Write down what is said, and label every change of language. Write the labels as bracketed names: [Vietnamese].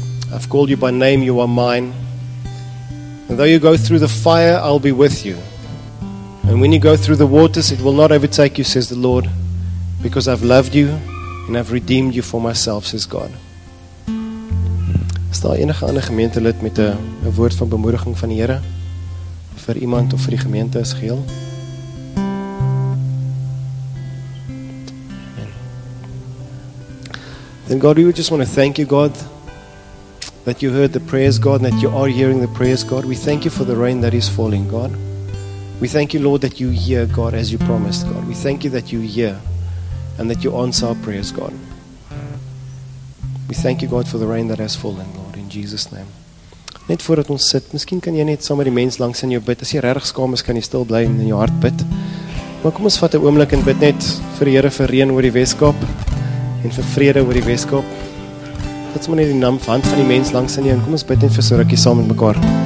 [English] I've called you by name, you are mine. And though you go through the fire, I'll be with you. And when you go through the waters, it will not overtake you, says the Lord, because I've loved you and I've redeemed you for myself, says God. [Afrikaans] Is daar enige ander gemeentelid met 'n woord van bemoediging van die Here vir iemand of vir die gemeente as geheel? [English] Then God, we just want to thank you, God, that you heard the prayers, God, and that you are hearing the prayers, God. We thank you for the rain that is falling, God. We thank you, Lord, that you hear, God, as you promised, God. We thank you that you hear and that you answer our prayers, God. We thank you, God, for the rain that has fallen, Lord, in Jesus' name. [Afrikaans] Net voordat ons sit, miskien kan jy net saam met die mens langs in jou bid. As jy regtig skaam is, kan jy stil bly en in jou hart bid. Maar kom ons vat 'n oomblik en bid net vir die Here vir reën oor die Weskaap en vir vrede oor die Weskaap. Wat sommer net die naam van die mens langs in jou. Kom ons bid net vir so rukkie saam met mekaar.